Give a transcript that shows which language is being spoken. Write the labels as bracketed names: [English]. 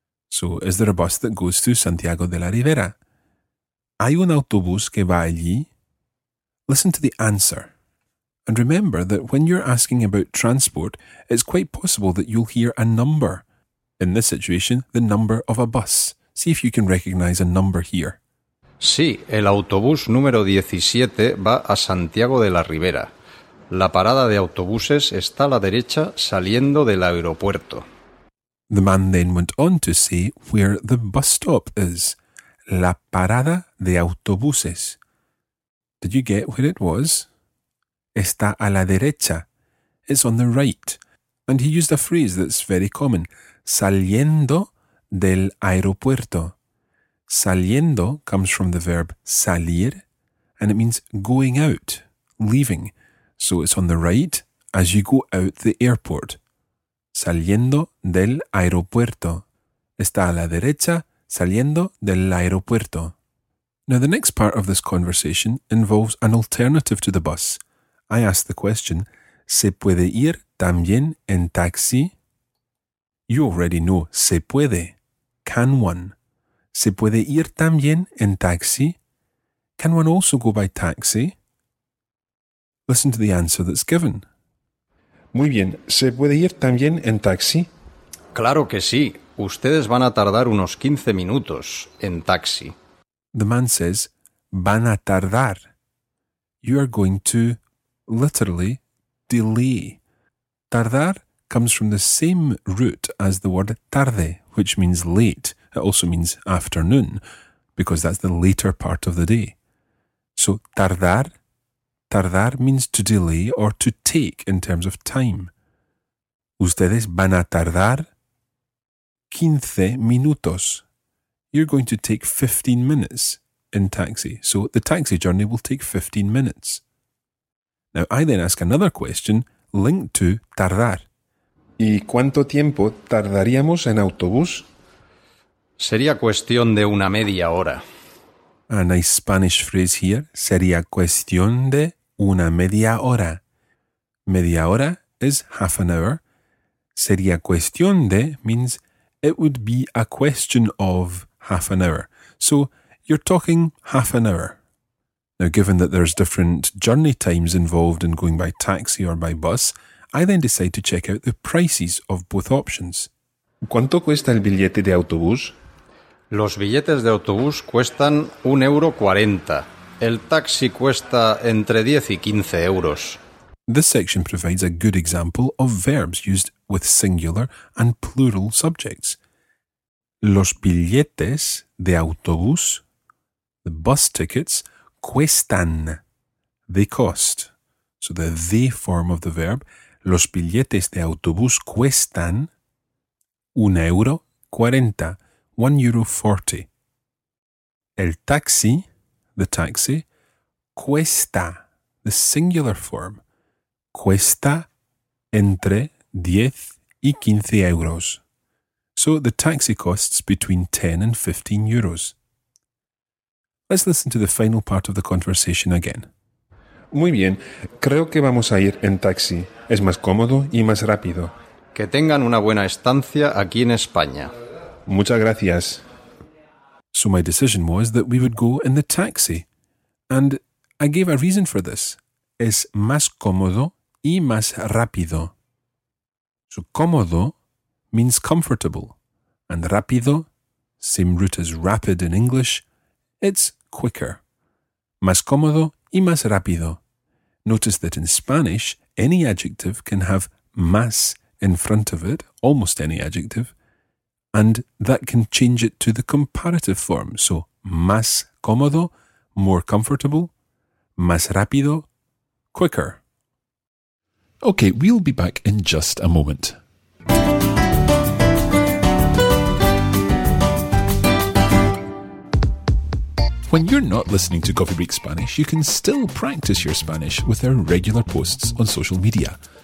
[English] So, is there a bus that goes to Santiago de la Ribera? [Spanish] ¿Hay un autobús que va allí? [English] Listen to the answer. And remember that when you're asking about transport, it's quite possible that you'll hear a number. In this situation, the number of a bus. See if you can recognize a number here. [Spanish] Sí, el autobús número 17 va a Santiago de la Ribera. La parada de autobuses está a la derecha saliendo del aeropuerto. [English] The man then went on to say where the bus stop is. [Spanish] La parada de autobuses. [English] Did you get where it was? [Spanish] Está a la derecha. [English] It's on the right. And he used a phrase that's very common. [Spanish] Saliendo del aeropuerto. [English] Saliendo comes from the verb salir, and it means going out, leaving. So it's on the right as you go out the airport. [Spanish] saliendo del aeropuerto. Está a la derecha, saliendo del aeropuerto. [English] Now the next part of this conversation involves an alternative to the bus. I ask the question, [Spanish] ¿se puede ir también en taxi? [English] You already know, [Spanish] se puede. [English] Can one? [Spanish] ¿Se puede ir también en taxi? [English] Can one also go by taxi? Listen to the answer that's given. [Spanish] Muy bien, ¿se puede ir también en taxi? Claro que sí. Ustedes van a tardar unos 15 minutos en taxi. [English] The man says, [Spanish] van a tardar. [English] You are going to, literally, delay. Tardar comes from the same root as the word tarde, which means late. It also means afternoon, because that's the later part of the day. So tardar, tardar means to delay or to take in terms of time. [Spanish] Ustedes van a tardar 15 minutos. [English] You're going to take 15 minutes in taxi. So the taxi journey will take 15 minutes. Now I then ask another question linked to tardar. [Spanish] ¿Y cuánto tiempo tardaríamos en autobús? Sería cuestión de una media hora. [English] A nice Spanish phrase here. [Spanish] Sería cuestión de una media hora. Media hora [English] is half an hour. [Spanish] Sería cuestión de [English] means it would be a question of half an hour. So you're talking half an hour. Now, given that there's different journey times involved in going by taxi or by bus, I then decide to check out the prices of both options. [Spanish] ¿Cuánto cuesta el billete de autobús? Los billetes de autobús cuestan 1,40 €. El taxi cuesta entre 10 y 15 euros. [English] This section provides a good example of verbs used with singular and plural subjects. [Spanish] Los billetes de autobús, [English] the bus tickets, [Spanish] cuestan. [English] They cost. So the they form of the verb, [Spanish] los billetes de autobús cuestan 1,40 €. 1,40 €. El taxi, [English] the taxi, [Spanish] cuesta, [English] the singular form, [Spanish] cuesta entre 10 y 15 euros. [English] So the taxi costs between 10 and 15 euros. Let's listen to the final part of the conversation again. [Spanish] Muy bien, creo que vamos a ir en taxi. Es más cómodo y más rápido. Que tengan una buena estancia aquí en España. Muchas gracias. [English] So my decision was that we would go in the taxi. And I gave a reason for this. [Spanish] Es más cómodo y más rápido. [English] So cómodo means comfortable. And rápido, same root as rapid in English, it's quicker. [Spanish] Más cómodo y más rápido. [English] Notice that in Spanish, any adjective can have más in front of it, almost any adjective, and that can change it to the comparative form. So, [Spanish] más cómodo, [English] more comfortable, [Spanish] más rápido, [English] quicker. Okay, we'll be back in just a moment. When you're not listening to Coffee Break Spanish, you can still practice your Spanish with our regular posts on social media.